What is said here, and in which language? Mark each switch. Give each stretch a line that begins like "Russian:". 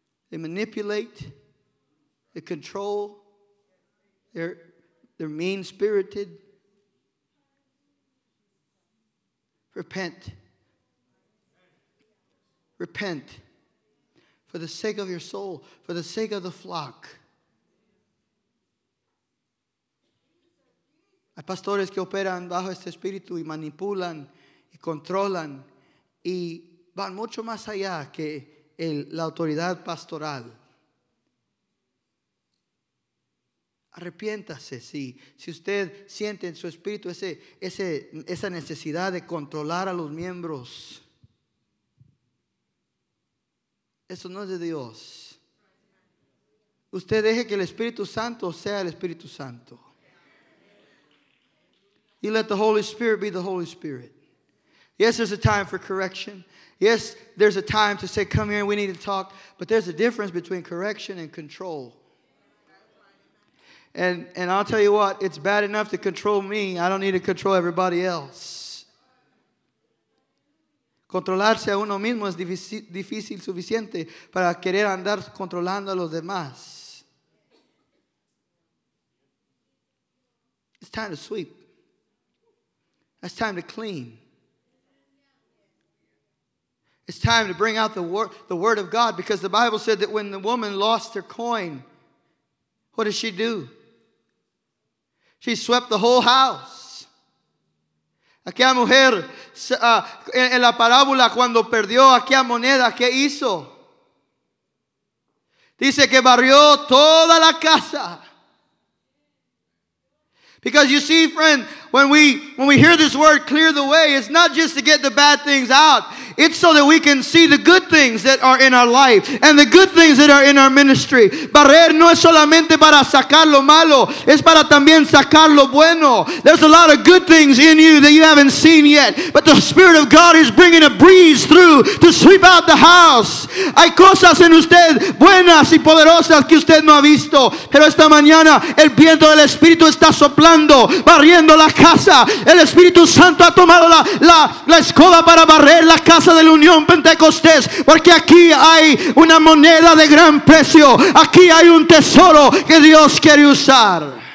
English: They manipulate, they control, they're mean-spirited. Repent. Repent. For the sake of your soul, for the sake of the flock.
Spanish: Hay pastores que operan bajo este espíritu y manipulan y controlan y van mucho más allá que la autoridad pastoral. Arrepiéntase si usted siente en su espíritu esa necesidad de controlar a los miembros. Eso no es de Dios. Usted deje que el Espíritu Santo sea el Espíritu Santo.
English: You let the Holy Spirit be the Holy Spirit. Yes, there's a time for correction. Yes, there's a time to say, come here, we need to talk. But there's a difference between correction and control. And I'll tell you what, it's bad enough to control me. I don't need to control everybody else.
Spanish: Controlarse a uno mismo es difícil suficiente para querer andar controlando a los demás.
English: It's time to sweep. It's time to clean. It's time to bring out the word of God, because the Bible said that when the woman lost her coin, what did she do? She swept the whole house.
Spanish: Aquella mujer, en la parábola, cuando perdió aquella moneda, ¿qué hizo? Dice que barrió toda la casa.
English: Because you see, friend, when we hear this word, clear the way, it's not just to get the bad things out. It's so that we can see the good things that are in our life and the good things that are in our ministry.
Spanish: Barrer no es solamente para sacar lo malo. Es para también sacar lo bueno.
English: There's a lot of good things in you that you haven't seen yet. But the Spirit of God is bringing a breeze through to sweep out the house.
Spanish: Hay cosas en usted buenas y poderosas que usted no ha visto. Pero esta mañana el viento del Espíritu está soplando, barriendo la casa. El Espíritu Santo ha tomado la escoba para barrer la casa. Casa de la Unión Pentecostés, porque aquí hay una moneda de gran precio, aquí hay un tesoro que Dios quiere usar.